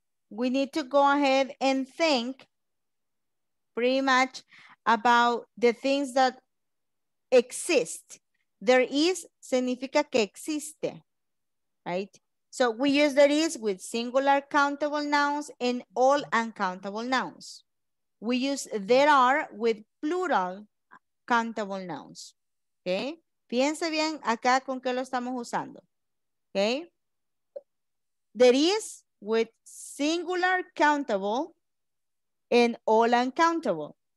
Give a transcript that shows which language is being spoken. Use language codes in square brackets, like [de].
[en] We need to go ahead and think pretty much about the things that exist. [es] There is significa que existe, right? [en] So we use there is with singular countable nouns and all uncountable nouns. We use there are with plural countable nouns, okay? [es] Piense bien acá con qué lo estamos usando, okay? [en] There is with singular countable and all uncountable.